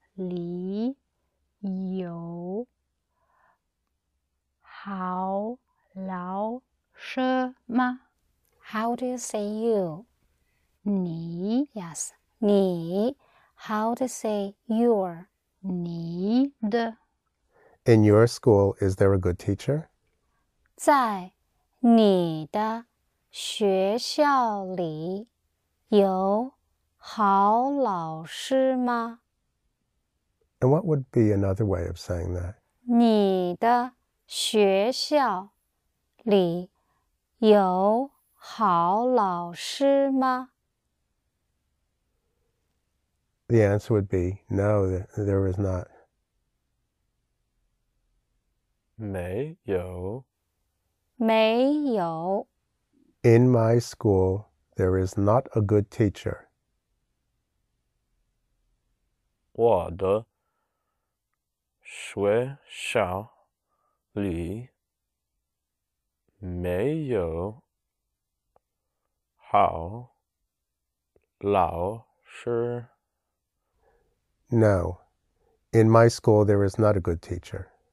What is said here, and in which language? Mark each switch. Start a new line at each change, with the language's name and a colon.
Chinese: 里有好老师吗?
English: How do you say you?
Chinese: 你
English: Yes. 你 How do you say your?
Chinese: 你的
English: In your school, is there a good teacher?
Chinese: 在你的学校里有好老师吗?
English: And what would be another way of saying that?
Chinese: 你的学校里有好老师吗?
English: The answer would be no, there is not.
Chinese: 没有。
English: In my school, there is not a good teacher.
Chinese: 我的学校里没有好老师。
English: No, in my school, there is not a good teacher.